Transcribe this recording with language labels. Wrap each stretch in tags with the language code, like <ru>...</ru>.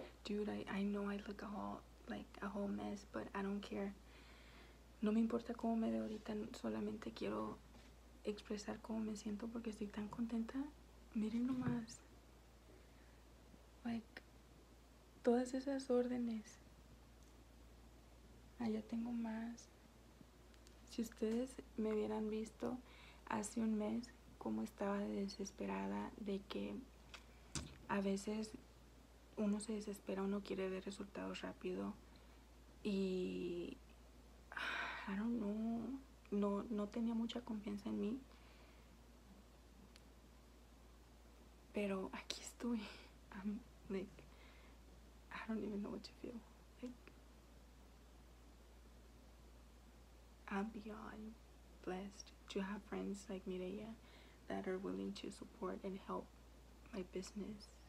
<en>Dude, I know I look a whole mess, but I don't care.</en> <es>No me importa cómo me veo ahorita, solamente quiero expresar cómo me siento porque estoy tan contenta. Miren nomás, todas esas órdenes, allá tengo más. Si ustedes me hubieran visto hace un mes, cómo estaba desesperada, de que a veces uno se desespera, uno quiere ver resultados rápido y</es> <en>I don't know.</en> <es>No tenía mucha confianza en mí, pero aquí estoy.</es> <en>I'm I don't even know what to feel. I'm beyond blessed to have friends like Mireya that are willing to support and help my business.</en>